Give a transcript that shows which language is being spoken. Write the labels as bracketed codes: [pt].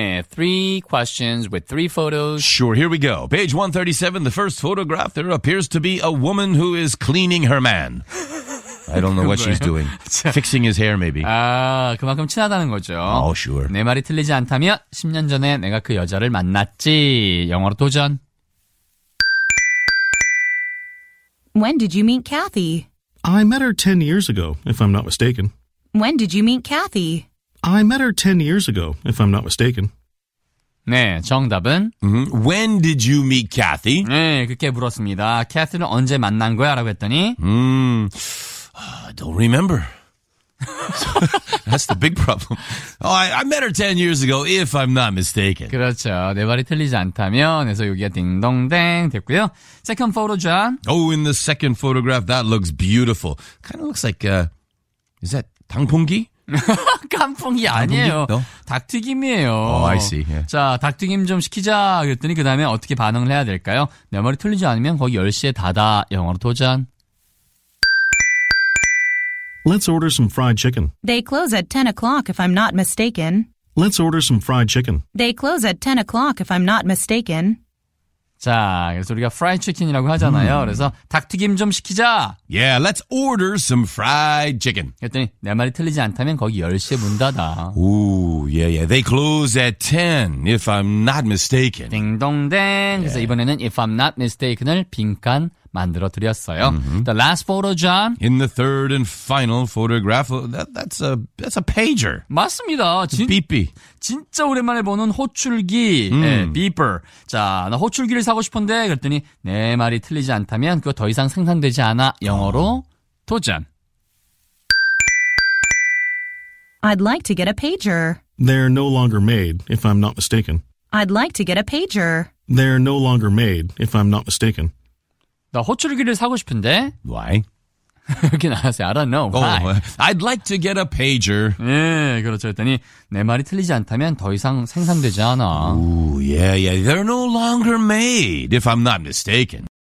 [en] Three questions with three photos. Sure, here we go. Page 137, the first photograph, there appears to be a woman who is cleaning her man. I don't know what she's doing. Fixing his hair, maybe. [ko] 아, 그만큼 친하다는 거죠. [en] Oh, sure. [ko] 내 말이 틀리지 않다면 10년 전에 내가 그 여자를 만났지. 영어로 도전. [en] When did you meet Kathy? I met her 10 years ago, if I'm not mistaken. When did you meet Kathy? I met her 10 years ago, if I'm not mistaken. [ko] 네, 정답은? [en] When did you meet Kathy? [ko] 네, 그렇게 물었습니다. Kathy는 언제 만난 거야? 라고 했더니 [en] Don't remember. That's the big problem. I met her 10 years ago, if I'm not mistaken. [ko] 그렇죠. 내 말이 틀리지 않다면 해서 여기가 딩동댕 됐고요. [en] Second photo, John. Oh, in the second photograph, that looks beautiful. Kind of looks like, is that 당풍기? [ko] 깐풍이 아니에요. 닭튀김이에요. [en] Oh, I see. Yeah. [ko] 자, 닭튀김 좀 시키자 그랬더니 그 다음에 어떻게 반응을 해야 될까요? 내 말이 틀리지 않으면 거기 10시에 닫아. 영어로 도전. [en] Let's order some fried chicken. They close at 10 o'clock if I'm not mistaken. Let's order some fried chicken. They close at 10 o'clock if I'm not mistaken. [ko] 자, 그래서 우리가 fried chicken이라고 하잖아요. 그래서 닭튀김 좀 시키자. [en] Yeah, let's order some fried chicken. [ko] 그랬더니 내 말이 틀리지 않다면 거기 10시에 문 닫아. [en] Ooh, yeah, yeah. They close at 10, if I'm not mistaken. [ko] 딩동댕. 그래서 이번에는 [en] if I'm not mistaken [ko] 을 빈칸 만들어 드렸어요. [en] The last photo, John. In the third and final photograph, that's a pager. [ko] 맞습니다. 비비. 진짜 오랜만에 보는 호출기. 비퍼. 자, 나 호출기를 사고 싶은데 그랬더니 내 말이 틀리지 않다면 그거 더 이상 생산되지 않아. 영어로 도전. [en] I'd like to get a pager. They're no longer made, if I'm not mistaken. I'd like to get a pager. They're no longer made, if I'm not mistaken. [ko] 나 호출기를 사고 싶은데. [en] Why? [ko] 이렇게 나왔어요. [en] I don't know. Why? Oh, I'd like to get a pager. [ko] 예, 그렇죠. 그랬더니 내 말이 틀리지 않다면 더 이상 생산되지 않아. [en] Ooh, yeah, yeah. They're no longer made, if I'm not mistaken.